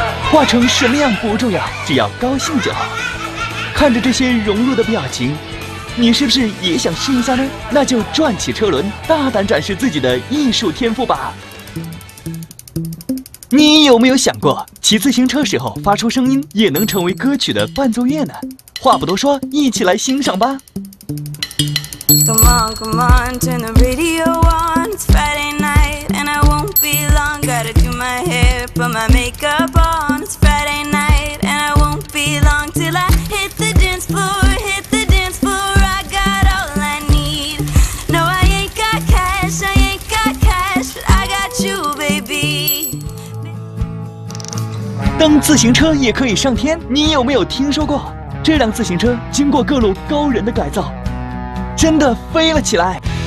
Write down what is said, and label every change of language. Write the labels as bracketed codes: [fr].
[zh] 画成什么样不重要，只要高兴就好。看着这些融入的表情，你是不是也想试一下呢？那就转起车轮，大胆展示自己的艺术天赋吧。你有没有想过，骑自行车时候发出声音，也能成为歌曲的伴奏乐呢？话不多说，一起来欣赏吧。 [en] Come on, come on, turn the radio on. It's Friday night and I won't be long. Gotta do my hair, put my makeup on. It's Friday night and I won't be long till I hit the dance floor, hit the dance floor. I got all I need. No, I ain't got cash, I ain't got cash, but I got you, baby. [zh] 蹬自行车也可以上天，你有没有听说过？这辆自行车经过各路高人的改造，真的飞了起来。